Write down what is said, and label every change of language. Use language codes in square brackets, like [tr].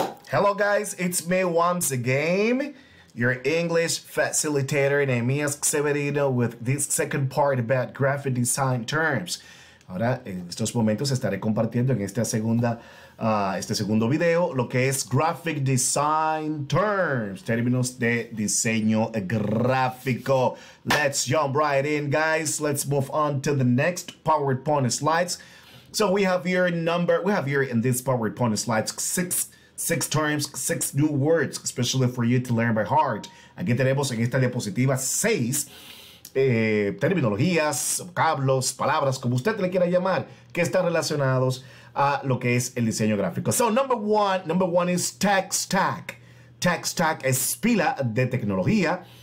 [en] Hello guys, it's me once again, your English facilitator named Mia Severino with this second part about graphic design terms. [es] Ahora, en estos momentos estaré compartiendo en esta segunda, este segundo video lo que es graphic design terms, términos de diseño gráfico. [en] Let's jump right in, guys. Let's move on to the next PowerPoint slides. So we have here in this PowerPoint slides six terms, six new words, especially for you to learn by heart. [es] Aquí tenemos en esta diapositiva seis terminologías, vocablos, palabras, como usted le quiera llamar, que están relacionados a lo que es el diseño gráfico. [en] So, number one is tech stack. Tech stack [es] es pila de tecnología.